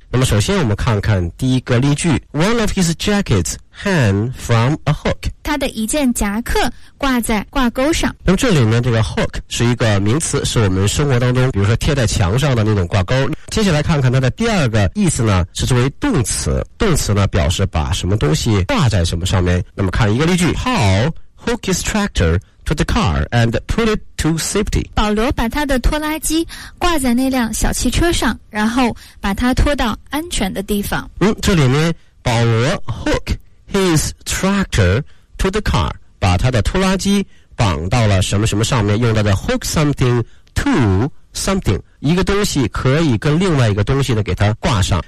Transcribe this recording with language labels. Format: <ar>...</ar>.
<zh>那么首先我们看看第一个例句，</zh> <en>One of his jackets hang from a hook，</en> <zh>他的一件夹克挂在挂钩上。那么这里呢这个 hook 是一个名词，是我们生活当中比如说贴在墙上的那种挂钩。接下来看看它的第二个意思呢是作为动词，动词呢表示把什么东西挂在什么上面。那么看一个例句，</zh> <en>Paul hook his tractor to the car and put it to safety，</en> <zh>保罗把他的拖拉机挂在那辆小汽车上，然后把它拖到安全的地方。嗯，这里面保罗</zh> <en>hook his tractor to the car，</en> <zh>把他的拖拉机绑到了什么什么上面，用到的</zh> <en>hook something to something，</en> <zh>一个东西可以跟另外一个东西呢给它挂上。</zh>